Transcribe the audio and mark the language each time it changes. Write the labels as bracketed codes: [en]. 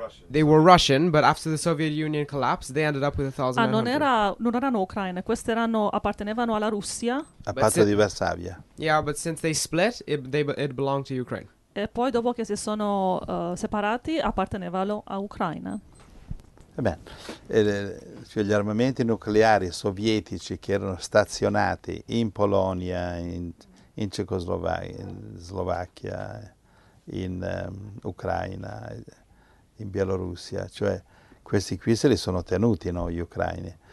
[en] They were Russian, but after the Soviet Union collapsed, they ended up with 1,900. [it] Non erano ucraine, queste erano, appartenevano alla Russia. A patto di Varsavia. [en] Yeah, but since they split, it belonged to Ukraine. [it] E poi dopo che si sono separati, appartenevano a Ucraina. Cioè gli armamenti nucleari sovietici che erano stazionati in Polonia, in Cecoslovacchia, Ucraina, in Bielorussia, cioè questi qui se li sono tenuti, no, gli ucraini.